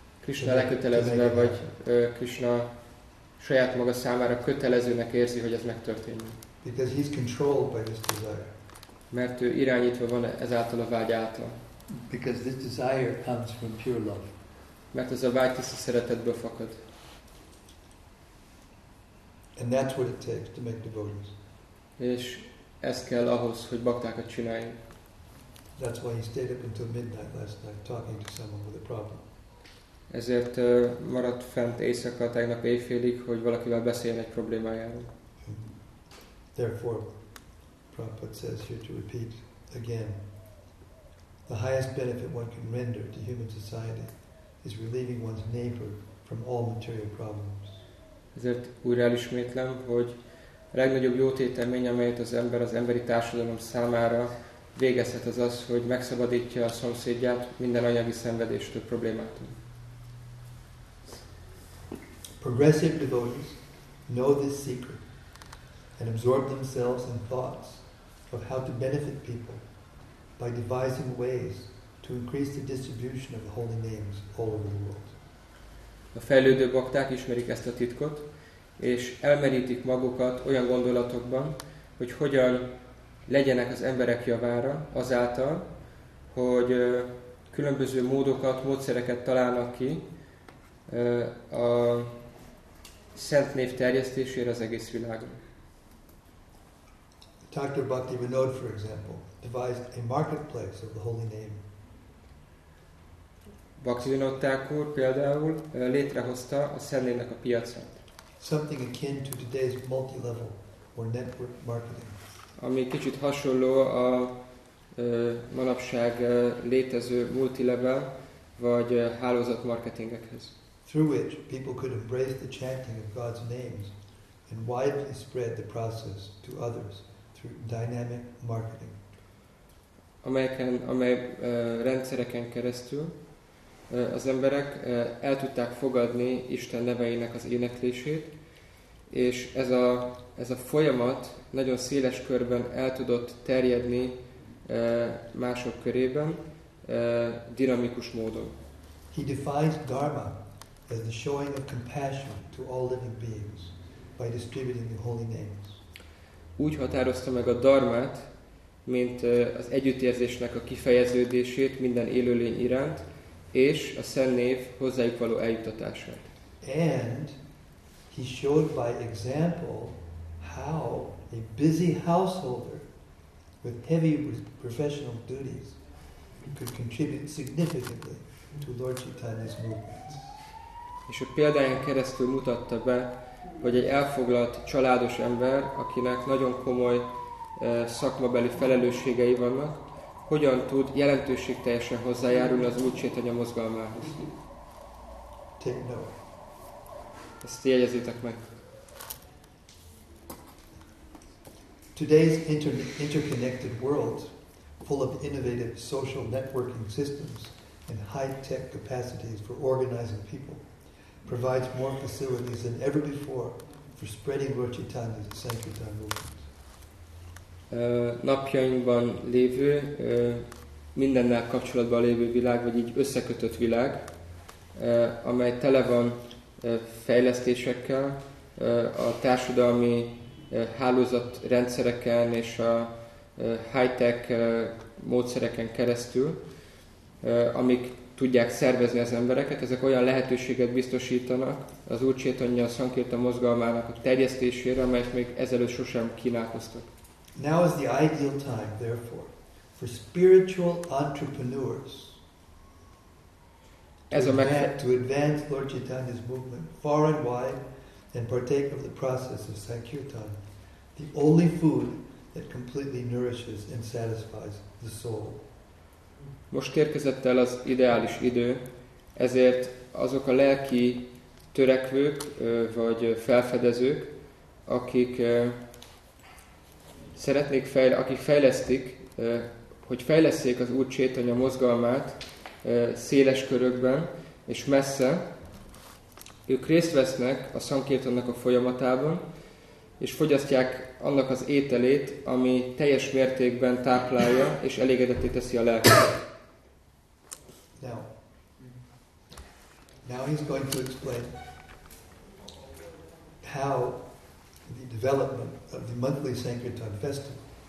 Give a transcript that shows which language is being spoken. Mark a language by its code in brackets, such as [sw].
[hu] Krishna lekötelezve, vagy Krishna saját maga számára kötelezőnek érzi, hogy ez megtörténjen. [en] Because he's controlled by this desire. [hu] Mert ő irányítva van ezáltal a vágy által. [en] Because this desire comes from pure love. [hu] Mert ez a vágy tiszta szeretetből fakad. [en] And that's what it takes to make devotees. [hu] És ez kell ahhoz, hogy baktákat csináljunk. [en] That's why he stayed up until midnight last night talking to someone with a problem. [hu] Ezért maradt fent éjszaka tegnap éjfélig, hogy valakivel beszéljen egy problémájáról. [en] Therefore, Prabhupada says here to repeat again, the highest benefit one can render to human society is relieving one's neighbor from all material problems. [hu] Ezért újra elismétlem, hogy a legnagyobb jótétemény, amelyet az ember az emberi társadalom számára végezhet, az az, hogy megszabadítja a szomszédját minden anyagi szenvedéstől, problémától. [en] Progressive devotees know this secret and absorb themselves in thoughts of how to benefit people by devising ways to increase the distribution of the holy names all over the world. [hu] A fejlődő bakták ismerik ezt a titkot, és elmerítik magukat olyan gondolatokban, hogy hogyan legyenek az emberek javára azáltal, hogy különböző módokat, módszereket találnak ki a szent név terjesztésére az egész világon. [en] Dr. Bhakti Vinod, for example, devised a marketplace of the holy name. [hu] Bhakti Vinod Thakur például létrehozta a szent névnek a piacát. [en] Something akin to today's multi-level or network marketing. [hu] Ami kicsit hasonló a manapság létező multilevel vagy hálózat marketingekhez. [en] Through which people could embrace the chanting of God's names and widely spread the process to others through dynamic marketing. [hu] Amely rendszereken keresztül az emberek el tudták fogadni Isten neveinek az éneklését, és ez a folyamat nagyon széles körben el tudott terjedni mások körében dinamikus módon. [en] He defines dharma as the showing of compassion to all living beings by distributing the holy names. [hu] Úgy határozta meg a dharmát, mint az együttérzésnek a kifejeződését minden élőlény iránt, és a szent név hozzájuk való eljutatását. [en] And he showed by example how a busy householder with heavy professional duties could contribute significantly to Lord Chaitanya's movements. [hu] És a példáján keresztül mutatta be, hogy egy elfoglalt családos ember, akinek nagyon komoly szakmabeli felelősségei vannak, hogyan tud jelentőségteljesen hozzájárulni az Úr Csétanya mozgalmához. Ezt jegyezzétek meg. [en] Today's interconnected world, full of innovative social networking systems and high-tech capacities for organizing people, provides more facilities than ever before for spreading Lord Chaitanya's Sankirtan movements. [hu] Napjainkban lévő, mindennel kapcsolatban lévő világ, vagy így összekötött világ, amely tele van fejlesztésekkel, a társadalmi hálózat rendszereken és a high-tech módszereken keresztül, amik tudják szervezni az embereket, ezek olyan lehetőséget biztosítanak az Úr Csétanya Szankirtan mozgalmának a terjesztésére, amelyet még ezelőtt sosem kínálkoztak. [en] Now is the ideal time, therefore, for spiritual entrepreneurs to advance Lord Chaitanya's movement far and wide and partake of the process of Sankirtan, the only food that completely nourishes and satisfies the soul. [hu] Most érkezett el az ideális idő, ezért azok a lelki törekvők vagy felfedezők, akik fejlesztik, hogy fejlesztjék az Úr Csétanya mozgalmát széles körökben és messze, ők részt vesznek a Sankirtannak a folyamatában, és fogyasztják annak az ételét, ami teljes mértékben táplálja és elégedetté teszi a lelket. [en] Now he's going to explain how the development of the monthly Sankirtan festival.